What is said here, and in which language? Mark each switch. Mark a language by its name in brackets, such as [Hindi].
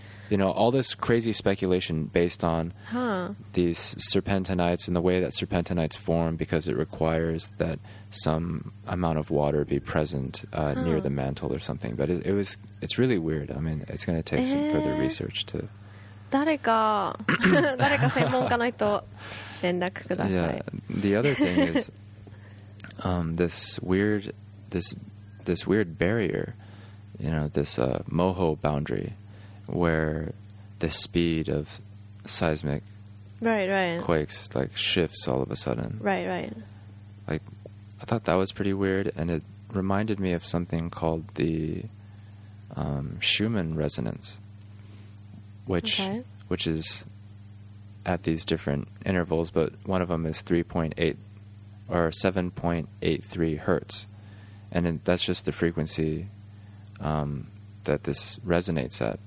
[English] You know, all this crazy speculation based on... Huh. These serpentinites and the way that serpentinites form because it requires that some amount of water be present near the mantle or something. But it's really weird. I mean, it's going to take some further research to... [Japanese] 誰か専門家の人連絡ください。 [English] Yeah. The other thing is this this weird barrier, you know, this MOHO boundary, where the speed of seismic quakes like shifts all of a sudden. Like, I thought that was pretty weird, and it reminded me of something called the Schumann resonance, which which is at these different intervals, but one of them is 3.8 or 7.83 hertz, and that's just the frequency that this resonates at.